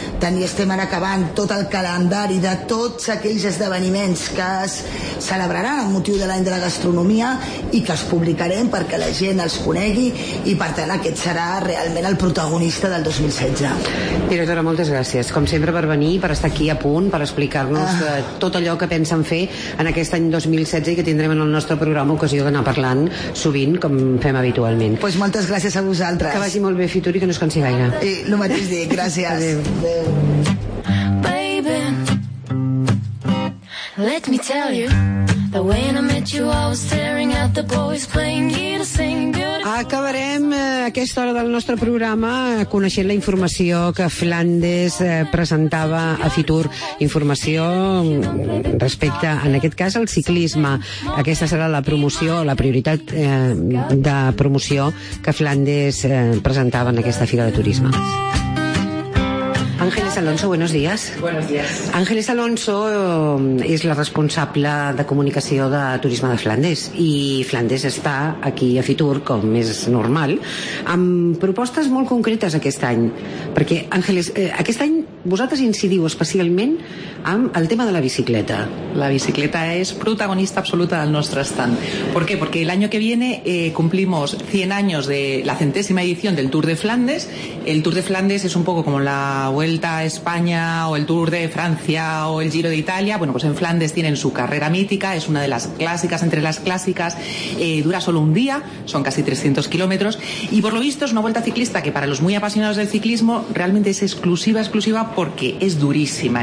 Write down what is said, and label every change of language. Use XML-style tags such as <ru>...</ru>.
<ca>Tenim, estem ara acabant tot el calendari de tots aquells esdeveniments que es celebraran amb motiu de l'any de la gastronomia i que es publicarem perquè la gent els conegui, i per tant aquest serà realment el protagonista del 2016. Directora, moltes gràcies, com sempre, per venir, per estar aquí a punt, per explicar-nos tot allò que pensen fer en aquest any 2016 i que tindrem en el nostre programa ocasió d'anar parlant sovint, com fem habitualment. Pues moltes gràcies a vosaltres. Que vagi molt bé, Fitur, i que no es cansi gaire. I el mateix dic, gràcies. Adéu.</ca> <en>Baby, let me tell you that when I met you I was staring at the boys playing you to sing good.</en> <ca>Acabarem aquesta hora del nostre programa coneixent la informació que Flandes presentava a Fitur, informació respecte, en aquest cas, al ciclisme. Aquesta serà la promoció, la prioritat de promoció que Flandes presentava en aquesta fira de turisme.</ca> <es>Ángeles Alonso, buenos días. Buenos días.</es> <ca>Ángeles Alonso és la responsable de comunicació de Turisme de Flandes, i Flandes està aquí a Fitur, com és normal, amb propostes molt concretes aquest any. Perquè, Ángeles, aquest any vosaltres incidiu especialment amb el tema de la bicicleta. La bicicleta és protagonista absoluta del nostre stand.</ca> <es>¿Por qué? Porque el año que viene cumplimos 100 años de la centésima edición del Tour de Flandes. El Tour de Flandes es un poco como la Vuelta a España o el Tour de Francia o el Giro de Italia. Bueno, pues en Flandes tienen su carrera mítica, es una de las clásicas entre las clásicas, dura solo un día, son casi 300 kilómetros, y por lo visto es una vuelta ciclista que para los muy apasionados del ciclismo realmente es exclusiva porque es durísima.</es>